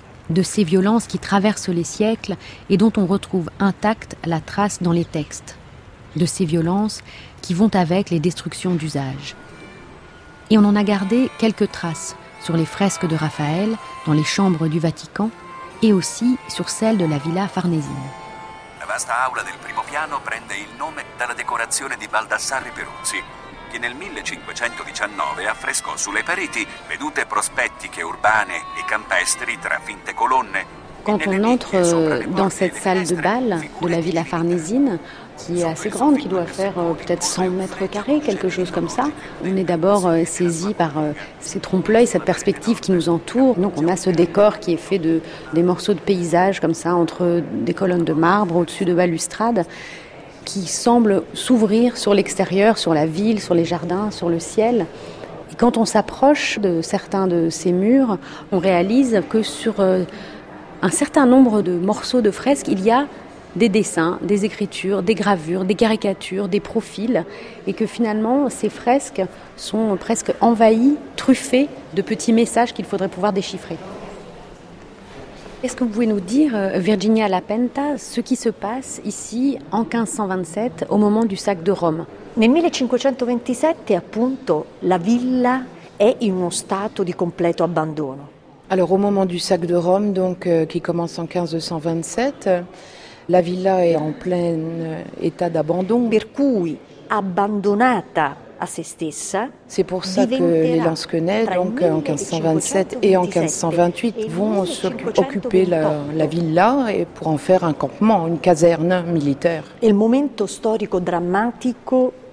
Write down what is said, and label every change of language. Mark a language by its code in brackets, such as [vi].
[fr] De ces violences qui traversent les siècles et dont on retrouve intacte la trace dans les textes. De ces violences qui vont avec les destructions d'usage. Et on en a gardé quelques traces sur les fresques de Raphaël, dans les chambres du Vatican et aussi sur celles de la Villa Farnésine. [it] Questa aula del primo piano prende il nome dalla decorazione di Baldassarre Peruzzi, che nel 1519 affrescò sulle pareti vedute prospettiche urbane e campestri tra finte colonne. [fr] Quand on entre dans cette salle de bal de la Villa Farnésine, qui est assez grande, qui doit faire peut-être 100 mètres carrés, quelque chose comme ça, on est d'abord saisi par ces trompe-l'œil, cette perspective qui nous entoure. Donc on a ce décor qui est fait de des morceaux de paysage comme ça, entre des colonnes de marbre au-dessus de balustrades, qui semblent s'ouvrir sur l'extérieur, sur la ville, sur les jardins, sur le ciel. Et quand on s'approche de certains de ces murs, on réalise que sur un certain nombre de morceaux de fresques, il y a des dessins, des écritures, des gravures, des caricatures, des profils, et que finalement, ces fresques sont presque envahies, truffées de petits messages qu'il faudrait pouvoir déchiffrer. Est-ce que vous pouvez nous dire, Virginia La Penta, ce qui se passe ici en 1527, au moment du sac de Rome ? [it] Nel 1527, appunto, la villa [fr] est [it] in uno stato di completo abbandono. [fr] Alors au moment du sac de Rome, donc qui commence en 1527, la villa est en plein état d'abandon. [it] Per cui abbandonata a se stessa. [fr] C'est pour ça que les Lansquenets, donc en 1527 et en 1528, vont occuper la villa et pour en faire un campement, une caserne militaire. [it] Il momento storico drammatico.